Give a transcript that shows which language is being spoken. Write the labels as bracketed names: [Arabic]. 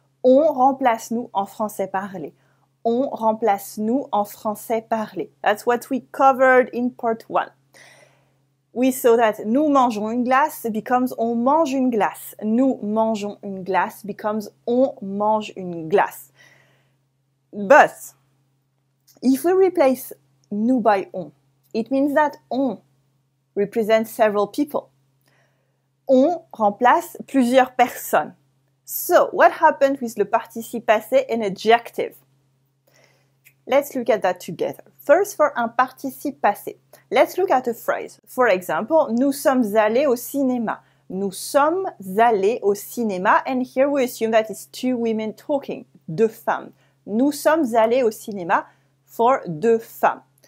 [French] On remplace nous en français parlé. On remplace nous en français parlé. [English] That's what we covered in part one. We saw that [French] nous mangeons une glace [English] becomes [French] on mange une glace. Nous mangeons une glace [English] becomes [French] on mange une glace. [English] But if we replace nous by on, it means that on represents several people. [French] On remplace plusieurs personnes. [English] So, what happened with [French] le participe passé [English] and adjective? Let's look at that together. First, for un participe passé, let's look at a phrase. [French] For example, nous sommes allés au cinéma. Nous sommes allés au cinéma. [English] And here we assume that it's two women talking, [French] deux femmes. Nous sommes allés au cinéma [English] for [French] deux femmes.